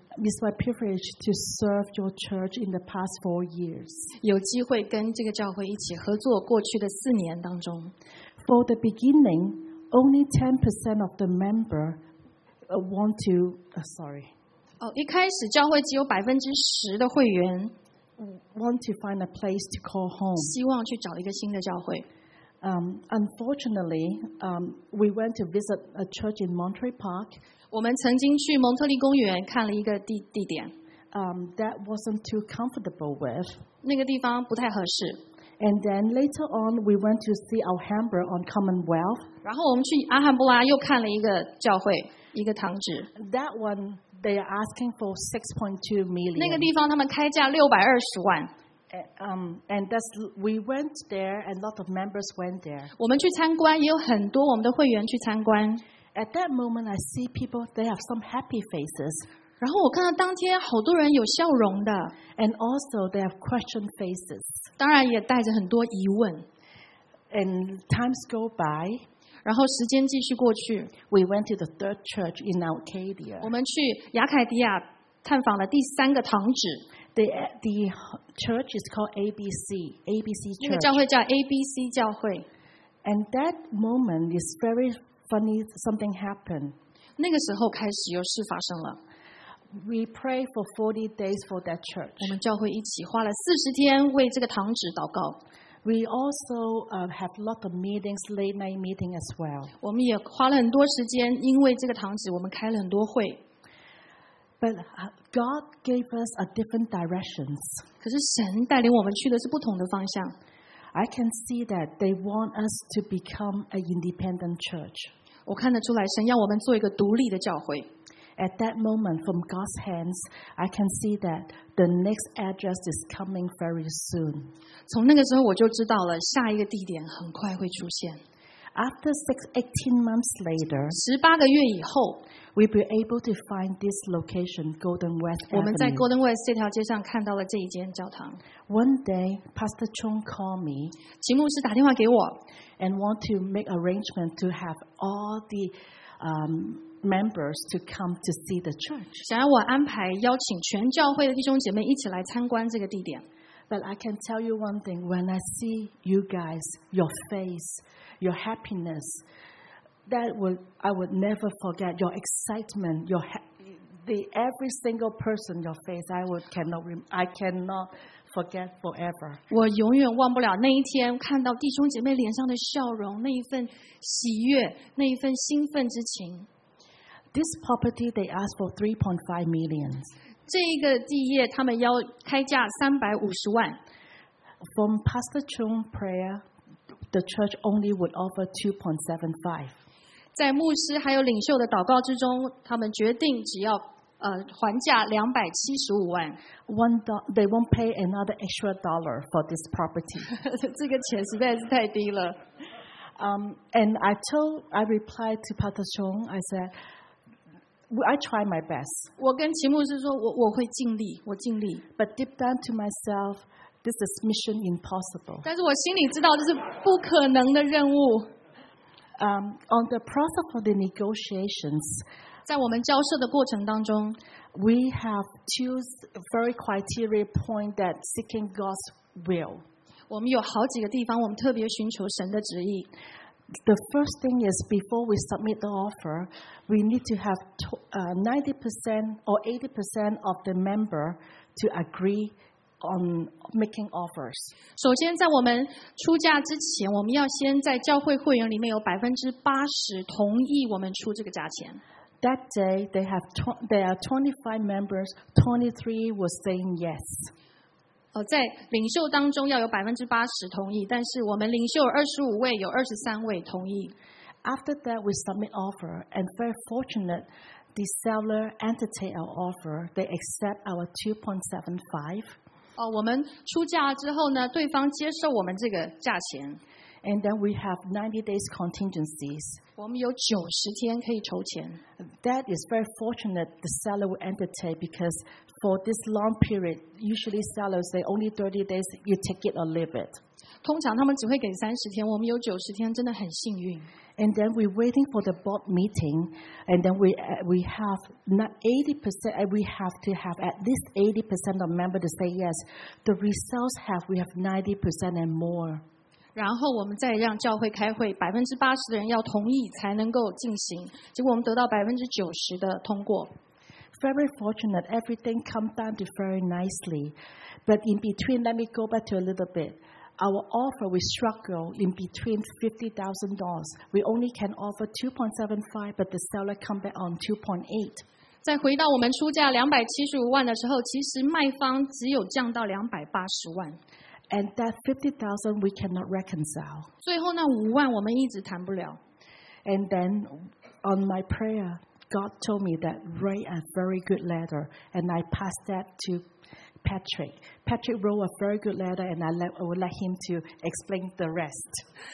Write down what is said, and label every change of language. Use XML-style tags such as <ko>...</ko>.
<en>It's my privilege to serve your church in the past 4 years.</en> <zh>有机会跟这个教会一起合作过去的四年当中。</zh> <en>For the beginning, only 10% of the member want to. Sorry.</en> <zh>一开始教会只有10%的会员</zh> <en>want to find a place to call home.</en> <zh>希望去找一个新的教会。</zh> <en>Unfortunately, we went to visit a church in Monterey Park.</en> <zh>我们曾经去蒙特利公园看了一个地点。</zh> <en>That wasn't too comfortable with.</en> <zh>那个地方不太合适。</zh> <en>And then later on, we went to see Alhambra on Commonwealth.</en> <zh>然后我们去阿罕布拉又看了一个教会，一个堂址。</zh> <en>That one. They are asking for 6.2 million.</en> <zh>那个地方他们开价620万。</zh> <en>And that's we went there, and a lot of members went there.</en> <zh>我们去参观，也有很多我们的会员去参观。</zh> <en>At that moment, I see people. They have some happy faces.</en> <zh>然后我看到当天好多人有笑容的。</zh> <en>And also they have question faces.</en> <zh>当然也带着很多疑问。</zh> <en>And times go by.</en> <zh>然后时间继续过去。</zh> <en>We went to the third church in Arcadia.</en> <zh>我们去雅凯迪亚探访了第三个堂址。</zh> <en>The church is called ABC. ABC Church.</en> <zh>那个教会叫 ABC 教会。</zh> <en>And that moment is very funny. Something happened.</en> <zh>那个时候开始有事发生了。</zh> <en>We prayed for 40 days for that church.</en> <zh>我们教会一起花了40天为这个堂址祷告。</zh> <en>We also have a lot of meetings, late night meeting as well.</en> <zh>我们也花了很多时间，因为这个堂址，我们开了很多会。</zh> <en>But God gave us a different directions.</en> <zh>可是神带领我们去的是不同的方向。</zh> <en>I can see that they want us to become an independent church.</en> <zh>我看得出来，神要我们做一个独立的教会。</zh> <en>At that moment, from God's hands, I can see that the next address is coming very soon.</en> <zh>从那个时候我就知道了，下一个地点很快会出现。</zh> <en>After 18 months later,</en> <zh>18个月以后</zh> <en>，we'll be able to find this location, Golden West.</en> <zh>我们在 Golden West 这条街上看到了这一间教堂。</zh> <en>One day, Pastor Chung called me.</en> <zh>齐牧师打电话给我</zh> <en>，and want to make arrangement to have all the, members to come to see the church.</en> <zh>想要我安排邀请全教会的弟兄姐妹一起来参观这个地点。</zh> <en>But I can tell you one thing: when I see you guys, your face, your happiness, I would never forget your excitement, every single person, your face. I cannot forget forever.</en> <zh>我永远忘不了那一天看到弟兄姐妹脸上的笑容，那一份喜悦，那一份兴奋之情。</zh> <en>This property they asked for 3.5 million.</en> <zh>这个地业他们要开价350万。</zh> <en>From Pastor Chung's prayer, the church only would offer 2.75.</en> <zh>在牧师还有领袖的祷告之中，他们决定只要还价275万。</zh> <en>They won't pay another extra dollar for this property.</en> <zh>这个钱实在是太低了。</zh> <en>I replied to Pastor Chung. I said. I try my best.</en> <zh>我跟齐牧师说，我会尽力，我尽力。</zh> <en>But deep down to myself, this is mission impossible.</en> <zh>但是我心里知道这是不可能的任务。</zh> <en>On the process of the negotiations,</en> <zh>在我们交涉的过程当中</zh> <en>，we have two very criteria point that seeking God's will.</en> <zh>我们有好几个地方，我们特别寻求神的旨意。</zh> <en>The first thing is before we submit the offer, we need to have 90% or 80% of the member to agree on making offers.</en> <zh>首先，在我们出价之前，我们要先在教会会员里面有80%同意我们出这个价钱。</zh> <en>That day, there are 25 members. 23 were saying yes.</en> <zh>在领袖当中要有80%同意，但是我们领袖25位，有23位同意。</zh> <en>After that, we submit offer, and very fortunate, the seller entertain our offer. They accept our 2.75.</en> <zh>我们出价之后呢，对方接受我们这个价钱。</zh> <en>And then we have 90 days contingencies.</en> <zh>我们有90天可以筹钱。</zh> <en>That is very fortunate the seller will entertain, because for this long period, usually sellers say only 30 days, you take it or leave it.</en> <zh>通常他们只会给30天，我们有90天，真的很幸运。</zh> <en>And then we're waiting for the board meeting, and then we have not 80%, and we have to have at least 80% of members to say yes. The results have, we have 90% and more.</en> <zh>然后我们再让教会开会，80%的人要同意才能够进行。结果我们得到90%的通过。</zh> <en>Very fortunate, everything come down to very nicely. But in between, let me go back to a little bit. Our offer, we struggle in between $50,000. We only can offer 2.75, but the seller come back on 2.8.</en> <zh>再回到我们出价275万的时候，其实卖方只有降到280万。</zh> <en>And that 50,000 we cannot reconcile.</en> <zh>最后那五万我们一直谈不了。</zh> <en>And then on my prayer, God told me that write a very good letter, and I passed that to Patrick. Patrick wrote a very good letter, and I would let him to explain the rest.</en>